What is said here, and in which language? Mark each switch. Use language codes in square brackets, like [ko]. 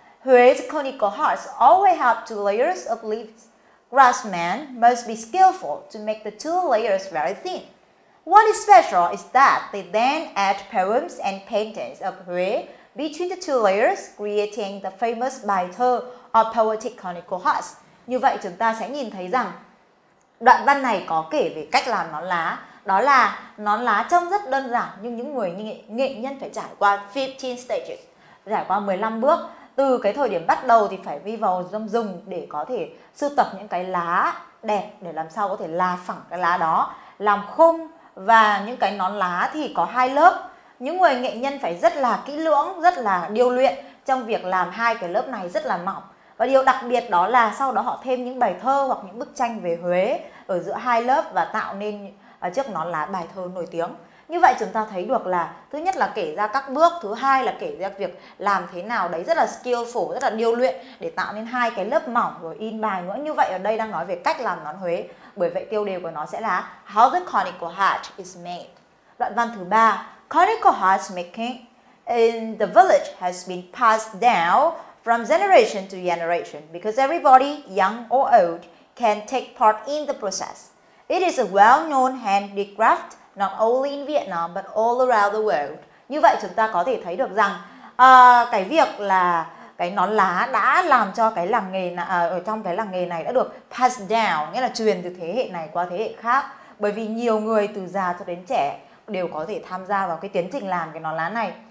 [en] Huế's Konikohats always have 2 layers of leaves. Craftsmen must be skillful to make the 2 layers very thin. What is special is that they then add poems and paintings of Huế between the 2 layers, creating the famous bài thơ of poetic Konikohats. [vi] Như vậy chúng ta sẽ nhìn thấy rằng đoạn văn này có kể về cách làm nón lá. Đó là nón lá trông rất đơn giản nhưng những người nghệ nhân phải trải qua 15 stages, trải qua 15 bước. Từ cái thời điểm bắt đầu thì phải vi vào rừng để có thể sưu tập những cái lá đẹp để làm sao có thể là phẳng cái lá đó, làm khung. Và những cái nón lá thì có 2 lớp. Những người nghệ nhân phải rất là kỹ lưỡng, rất là điêu luyện trong việc làm 2 cái lớp này rất là mỏng. Và điều đặc biệt đó là sau đó họ thêm những bài thơ hoặc những bức tranh về Huế ở giữa 2 lớp và tạo nên chiếc nón lá bài thơ nổi tiếng. Như vậy chúng ta thấy được là thứ nhất là kể ra các bước, thứ hai là kể ra việc làm thế nào đấy rất là skillful, rất là điêu luyện để tạo nên 2 cái lớp mỏng rồi in bài nữa. Như vậy ở đây đang nói về cách làm nón Huế. Bởi vậy tiêu đề của nó sẽ là [en] How the Konikohat is made. [vi] Đoạn văn thứ 3, [en] Konikohat making in the village has been passed down from generation to generation because everybody, young or old, can take part in the process. It is a well-known handicraft not only in Vietnam but all around the world. [vi] Như vậy chúng ta có thể thấy được rằng cái việc là cái nón lá đã làm cho cái làng nghề ở trong cái làng nghề này đã được [en] passed down, [vi] nghĩa là truyền từ thế hệ này qua thế hệ khác, bởi vì nhiều người từ già cho đến trẻ đều có thể tham gia vào cái tiến trình làm cái nón lá này.